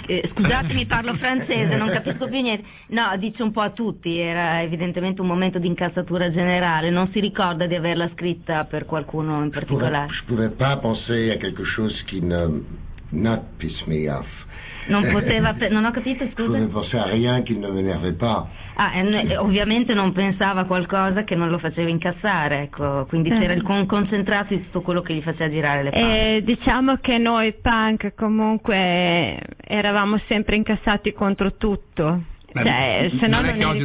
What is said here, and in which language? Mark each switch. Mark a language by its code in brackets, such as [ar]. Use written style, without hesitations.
[it] Scusatemi, parlo francese, non capisco più niente. No, dice un po' a tutti, era evidentemente un momento di incazzatura generale, non si ricorda di averla scritta per qualcuno in particolare. [fr] Je pouvais pas penser à quelque chose qui ne [en] not piss me off. [it] Non poteva, non ho capito, scusa. [fr] Je pouvais penser à rien qui ne m'énervait pas. [it] Ah, ovviamente non pensava a qualcosa che non lo faceva incassare, ecco, quindi c'era il concentrato in tutto quello che gli faceva girare le palle. Diciamo che noi punk comunque eravamo sempre incassati contro tutto. Cioè, se no non è che oggi